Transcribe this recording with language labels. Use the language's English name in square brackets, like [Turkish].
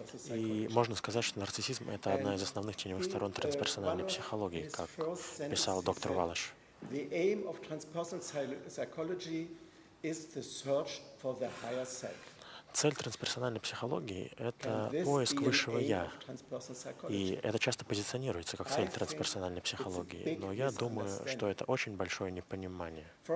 [Russian] и можно сказать, что нарциссизм — это одна из основных теневых сторон трансперсональной психологии, как писал доктор Валаш. [English] The aim of transpersonal psychology is the search for the higher self. [Russian] Цель трансперсональной психологии — это поиск высшего «я». И это часто позиционируется как цель трансперсональной психологии. Но я думаю, что это очень большое непонимание.